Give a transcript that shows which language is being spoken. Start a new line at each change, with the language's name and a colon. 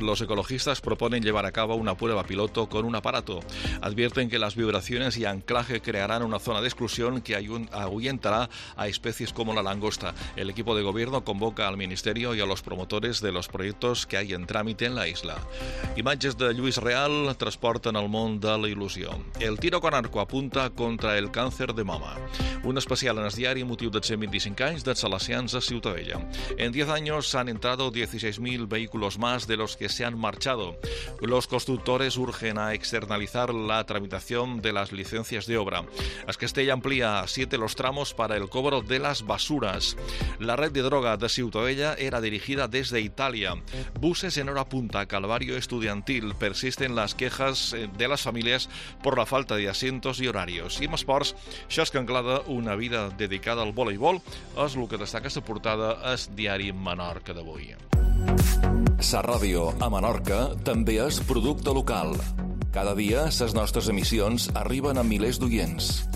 Spanish: Los ecologistas proponen llevar a cabo una prueba piloto con un aparato. Advierten que las vibraciones y anclaje crearán una zona de exclusión que ahuyentará a especies como la langosta. El equipo de gobierno convoca al ministerio y a los promotores de los proyectos que hay en trámite en la isla.
Catalan: Imatges de Lluís Real transporten al món de la il·lusió.
Spanish: El tiro con arco apunta contra el cáncer de mama.
Catalan: Un especial en el diari motiu de 125 anys dels salesians a Ciutadella. En 10 anys s'han entrat 16.000 vehicles més
Spanish: de los que se han marchado. Los constructores urgen a externalizar la tramitación de las licencias de obra. Es Castella amplía 7 los tramos para el cobro de las basuras. La red de droga de Ciutadella era dirigida desde Italia. Buses en hora punta, calvario estudiantil. Persisten las quejas de las familias por la falta de asientos y horarios.
Catalan: I en esports, Xosca Anglada, una vida dedicada al voleibol, és el que destaca la portada al diari Menorca d'avui. La ràdio a Menorca també és producte local. Cada dia les nostres emissions arriben a milers d'oients.